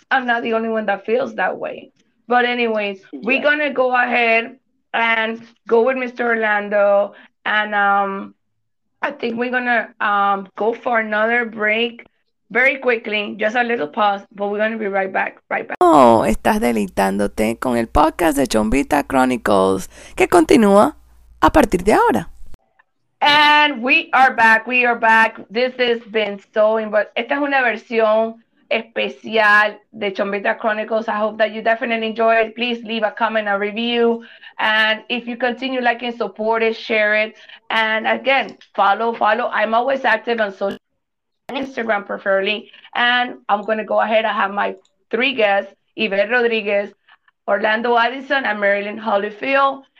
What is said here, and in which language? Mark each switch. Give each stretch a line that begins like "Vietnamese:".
English: I'm not the only one that feels that way. But anyways, yeah, we're going to go ahead and go with Mr. Orlando, and I think we're going to go for another break very quickly, just a little pause, but we're going to be right back.
Spanish: Oh, estás deleitándote con el podcast de Chombita Chronicles, que continúa a partir de ahora.
English: And we are back. This has been so important.
Spanish: Esta es una versión especial de Chombita Chronicles.
English: I hope that you definitely enjoy it. Please leave a comment, a review. And if you continue liking, support it, share it. And again, follow. I'm always active on social, Instagram preferably. And I'm going to go ahead. I have my three guests, Yvette Rodriguez, Orlando Addison, and Marilyn Holyfield.